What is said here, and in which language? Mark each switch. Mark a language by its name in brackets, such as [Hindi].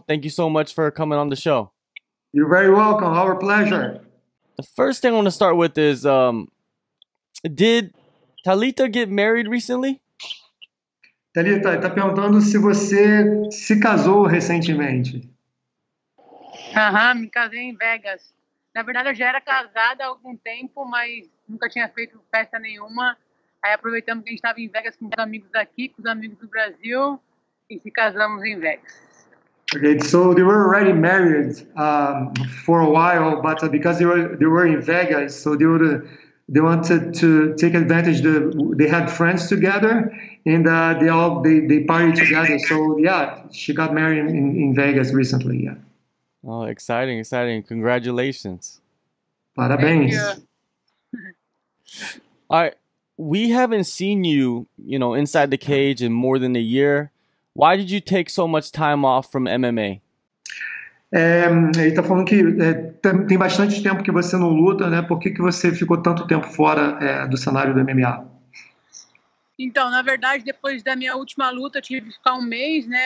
[English] Thank you so much for coming on the show. You're very welcome. Our pleasure. The first thing I want to start with is, did Talita get married recently? [Portuguese] Talita, está perguntando se você se casou recentemente. Aham, me casei em Vegas. Na verdade, eu já era casada há algum tempo, mas nunca tinha feito festa nenhuma. Aí aproveitamos que a gente estava em Vegas com os amigos aqui, com os amigos do Brasil, e se casamos em Vegas. [English] Okay, so they were already married for a while, but because they were in Vegas, so they wanted to take advantage. They had friends together, and they partied together. So yeah, she got married in Vegas recently. Yeah. Oh, exciting! Exciting! Congratulations! [Portuguese] Parabéns! [English] All right, we haven't seen you, you know, inside the cage in more than a year. Why did you take so much time off from MMA? [Portuguese] Ele está falando que tem bastante tempo que você não luta, né? Por que você ficou tanto tempo fora do cenário do MMA? Então, na verdade, depois da minha última luta, eu tive que ficar um mês, né?